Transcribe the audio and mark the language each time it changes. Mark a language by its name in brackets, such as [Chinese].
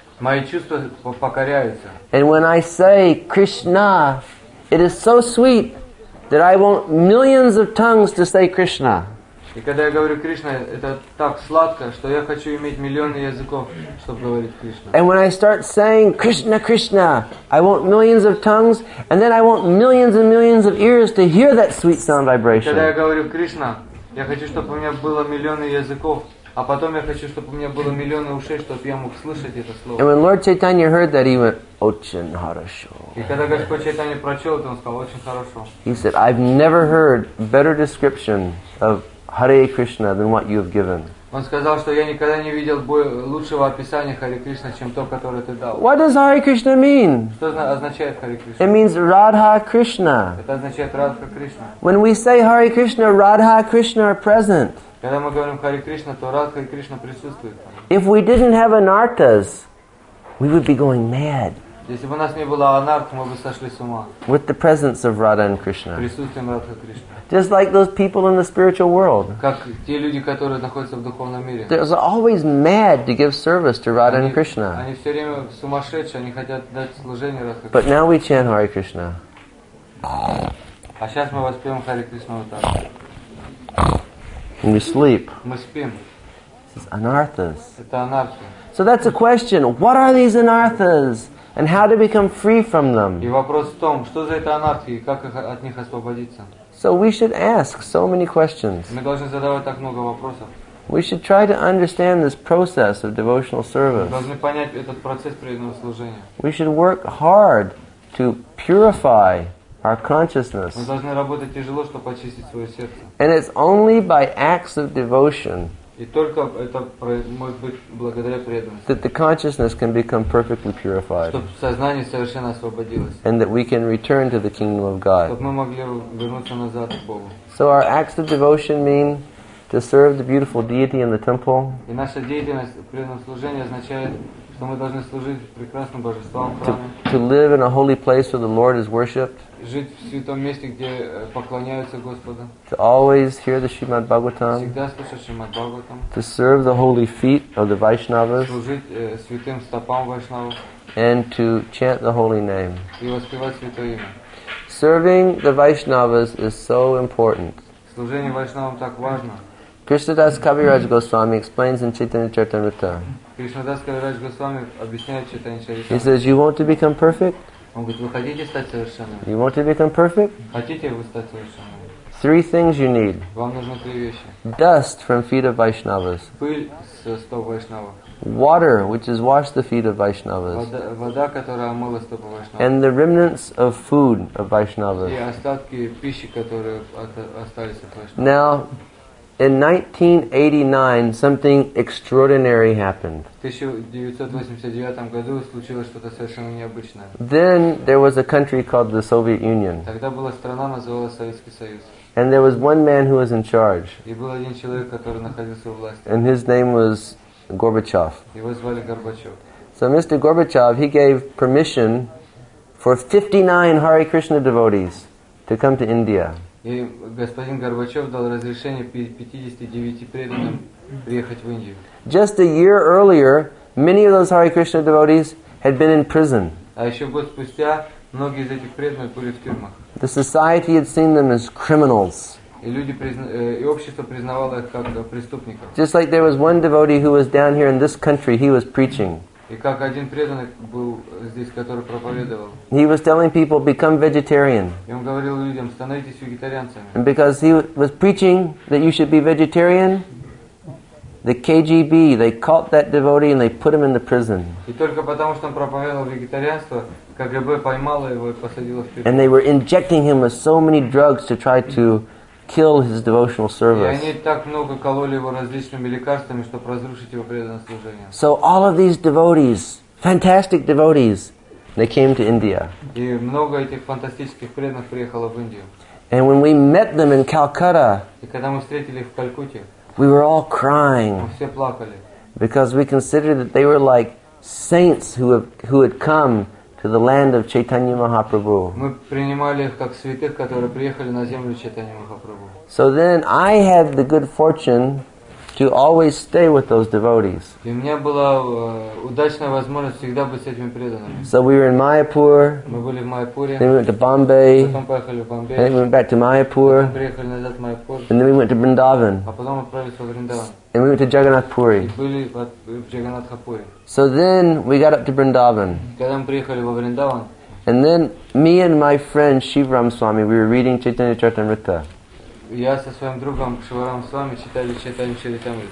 [Russian] Мои чувства покоряются. [English] And when I say Krishna, it is so sweet that I want millions of tongues to say Krishna. [Russian] И когда я говорю Кришна, это так сладко, что я хочу иметь миллионы языков, чтобы говорить Кришна. [English] And when I start saying Krishna, Krishna, I want millions of tongues, and then I want millions and millions of ears to hear that sweet sound vibration. [Russian] И когда я говорю Кришна, я хочу, чтобы у меня было миллионы языков, а потом я хочу, чтобы у меня было миллионы ушей, чтобы я мог слышать это слово. [English] And when Lord Chaitanya heard that, he went, [Russian] "Очень хорошо." И когда Господь Чайтанья прочел это, он сказал, "Очень хорошо." [English] He said, "I've never heard better description of Hare Krishna than what you have given." [Russian] Он сказал, что я никогда не видел лучшего описания Харе Кришна, чем то, которое ты дал. [English] What does Hare Krishna mean? [Russian] Что означает Харе Кришна? [English] It means Radha Krishna. [Russian] Это означает Радха Кришна. [English] When we say Hare Krishna, Radha Krishna are present. [Russian] Когда мы говорим Харе Кришна, то Радха и Кришна присутствуют. [English] If we didn't have anarthas, we would be going mad. [Russian] Если бы у нас не было анарт, мы бы сошли с ума. [English] With the presence of Radha and Krishna. [Russian] Присутствием Радха и Кришны. [English] Just like those people in the spiritual world. [Russian] Как те люди, которые находятся в духовном мире. [English] They're always mad to give service to Radha and Krishna. [Russian] Они все время сумасшедшие, они хотят дать служение Радха. [English] But now we chant Hare Krishna. [Russian] А сейчас мы воспеем Хари Кришну вот так. [English] And we sleep. [Russian] Мы спим. [English] This is anarthas. [Russian] Это анархи. [English] So that's a question. What are these anarthas? And how to become free from them? [Russian] И вопрос в том, что за это анархи, и как от них освободиться? [English] So we should ask so many questions. [Russian] Мы должны задавать так много вопросов. [English] We should try to understand this process of devotional service. [Russian] Мы должны понять этот процесс преданного служения. [English] We should work hard to purify our consciousness. [Russian] Мы должны работать тяжело, чтобы очистить свое сердце. [English] And it's only by acts of devotion. [Russian] И только это может быть благодаря преданности. [English] That the consciousness can become perfectly purified. [Russian] Чтобы сознание совершенно освободилось. [English] And that we can return to the kingdom of God. [Russian] Чтобы мы могли вернуться назад к Богу. [English] So our acts of devotion mean to serve the beautiful deity in the temple. [Russian] И наша деятельность в преданном служении означает, что мы должны служить прекрасным божествам в храме. [English] To live in a holy place where the Lord is worshipped. [Russian] Жить в святом месте, где поклоняются Господу. [English] To always hear the Srimad Bhagavatam. [Russian] Всегда слушать Srimad Bhagavatam. [English] To serve the holy feet of the Vaishnavas. [Russian] Служить святым стопам Вайшнавов. [English] And to chant the holy name. [Russian] И воспевать святое имя. [English] Serving the Vaishnavas is so important. [Russian] Служение Вайшнавам так важно. [English] Krishnadas Kaviraj Goswami explains in Chaitanya Charitamrita. [Russian] Krishnadas Kaviraj Goswami объясняет Chaitanya Charitamrita. [English] He says, you want to become perfect? [Russian] Он говорит, вы хотите стать совершенным? [English] You want to become perfect? [Russian] Хотите вы стать совершенным? [English] Three things you need. [Russian] Вам нужны три вещи. [English] Dust from feet of Vaishnavas. [Russian] Пыль со стоп Вайшнава. [English] Water, which has washed the feet of Vaishnavas. [Russian] Вода, которая омыла стопы Вайшнава. [English] And the remnants of food of Vaishnavas. [Russian] И остатки пищи, которые остались от Вайшнава. [English] Now, in 1989, something extraordinary happened. [Russian] В 1989 году случилось что-то совершенно необычное. [English] Then there was a country called the Soviet Union. [Russian] Тогда была страна, называлась Советский Союз. [English] And there was one man who was in charge. [Russian] И был один человек, который находился у власти. [English] And his name was Gorbachev. [Russian] Его звали Горбачев. [English] So Mr. Gorbachev, he gave permission for 59 Hare Krishna devotees to come to India. [Russian] И господин Горбачев дал разрешение 59 преданным приехать в Индию. [English] Just a year earlier, many of those Hare Krishna devotees had been in prison. [Russian] А еще год спустя многие из этих преданных были в тюрьмах. [English] The society had seen them as criminals. [Russian] И общество признавало их как преступников. [English] Just like there was one devotee who was down here in this country, he was preaching. [Russian] И как один преданный был здесь, который проповедовал. [English] He was telling people, become vegetarian. [Russian] И он говорил людям, становитесь вегетарианцами. [English] And because he was preaching that you should be vegetarian, the KGB, they caught that devotee and they put him in the prison. [Russian] И только потому, что он проповедовал вегетарианство, КГБ поймало его и посадило в тюрьму. [English] And they were injecting him with so many drugs to try to kill his devotional service. [Russian] И они так много кололи его различными лекарствами, чтобы разрушить его преданное служение. [English] So all of these devotees, fantastic devotees, they came to India. [Russian] И много этих фантастических преданных приехало в Индию. [English] And when we met them in Calcutta, [Russian] и когда мы встретили их в Калькутте, [English] we were all crying. [Russian] Мы все плакали. [English] Because we considered that they were like saints who had come to the land of Chaitanya Mahaprabhu. [Russian] Мы принимали их как святых, которые приехали на землю Чайтанья Махапрабху. [English] So then I had the good fortune to always stay with those devotees. [Russian] И у меня была удачная возможность всегда быть с этими преданными. [English] So we were in Mayapur. [Russian] Мы были в Майпуре. [English] Then we went to Bombay. [Russian] Потом поехали в Бомбей. [English] And then we went back to Mayapur. [Russian] Потом приехали назад в Майпур. [English] And then we went to Vrindavan. [Russian] А потом отправились в Вриндаван. [English] And we went to Jagannath Puri. [Russian] И были в Джаганатха Пури. [English] So then we got up to Vrindavan. [Russian] Когда мы приехали во Вриндаван. [English] And then me and my friend Shivaram Swami, we were reading Chaitanya Charitamrita. [Russian] Я со своим другом Шиварам Свами читали Чайтанья Чаритамриту.